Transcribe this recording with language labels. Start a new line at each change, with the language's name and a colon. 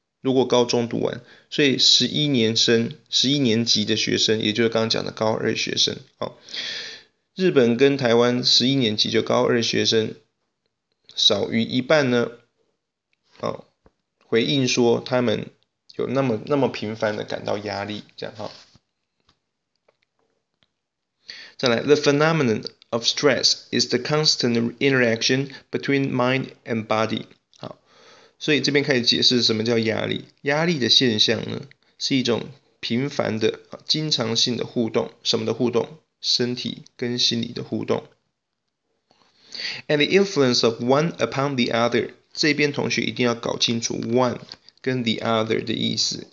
Chinese: 如果高中读完，所以11年级的学生，也就是刚刚讲的高二学生，好，日本跟台湾11年级就高二学生少于一半呢，好，回应说他们有那么频繁的感到压力，这样哈。再来，
English: the phenomenon of stress is the constant interaction between mind and body。
Chinese: 所以这边开始解释什么叫压力。压力的现象呢，是一种频繁的、经常性的互动，什么的互动？身体跟心理的互动。
English: And the influence of one upon the other，
Chinese: 这边同学一定要搞清楚 one 跟 the other 的意思。